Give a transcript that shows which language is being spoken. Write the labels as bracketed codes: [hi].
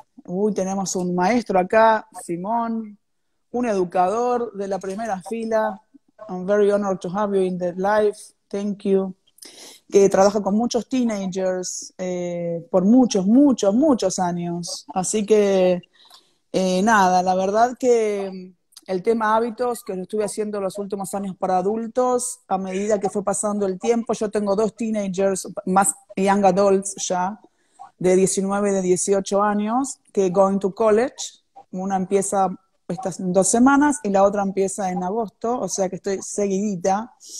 [es] Tenemos un maestro acá, Simón, un educador de la primera fila. [en] I'm very honored to have you in the live. Thank you. [es] Que trabaja con muchos teenagers por muchos, muchos, muchos años. Así que, nada, la verdad que el tema hábitos que lo estuve haciendo los últimos años para adultos, a medida que fue pasando el tiempo, yo tengo dos teenagers, más [en] young adults [es] ya, de 19 y de 18 años, que [en] going to college, [es] una empieza estas dos semanas y la otra empieza en agosto, o sea que estoy seguidita.